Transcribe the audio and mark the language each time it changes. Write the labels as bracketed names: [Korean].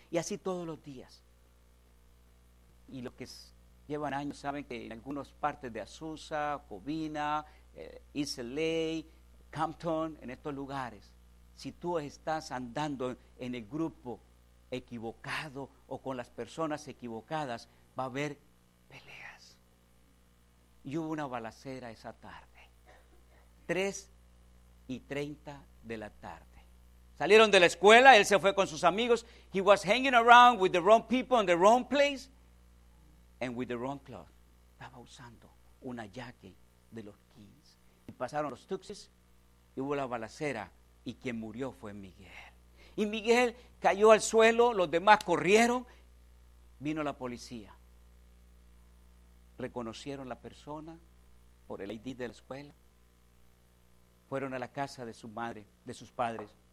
[Spanish] Y así todos los días. Y los que llevan años saben que en algunas partes de Azusa, Covina, East LA, Compton, en estos lugares, si tú estás andando en el grupo equivocado o con las personas equivocadas, va a haber peleas. Y hubo una balacera esa tarde, 3:30 de la tarde. Salieron de la escuela, él se fue con sus amigos. [English] He was hanging around with the wrong people in the wrong place and with the wrong clothes. [Spanish] Estaba usando una jacket de los Kings. Y pasaron los Tuxes y hubo la balacera y quien murió fue Miguel. Y Miguel cayó al suelo, los demás corrieron, vino la policía. reconocieron la persona por el ID de la escuela, fueron a la casa de su madre, de sus padres.